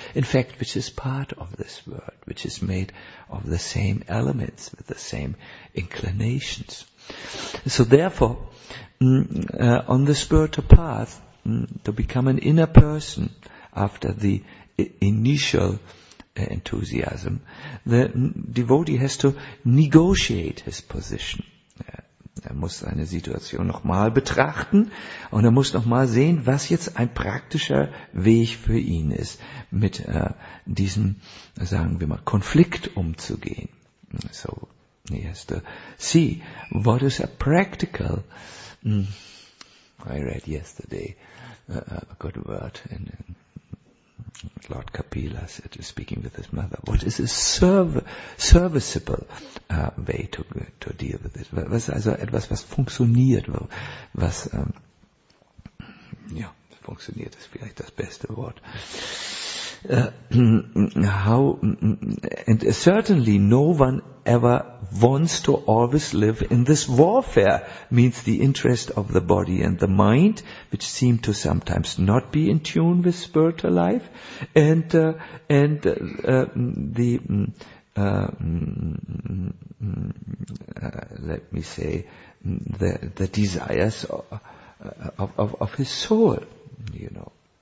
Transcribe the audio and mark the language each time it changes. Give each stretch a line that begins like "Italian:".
English: In fact, which is part of this world, which is made of the same elements with the same inclinations. So therefore, on the spiritual path, to become an inner person after the initial enthusiasm, the devotee has to negotiate his position
German: Er muss seine Situation nochmal betrachten und er muss nochmal sehen, was jetzt ein praktischer Weg für ihn ist, mit diesem, sagen wir mal, Konflikt umzugehen.
English: So, he has to see what is a practical. I read yesterday a good word in Lord Kapila said, speaking with his mother, what is a serviceable way to deal with this?
German: Was ist also etwas, was funktioniert? Was, ja, funktioniert ist vielleicht das beste Wort.
English: How, and certainly no one ever wants to always live in this warfare, means the interest of the body and the mind, which seem to sometimes not be in tune with spiritual life, and the desires of his soul, you know.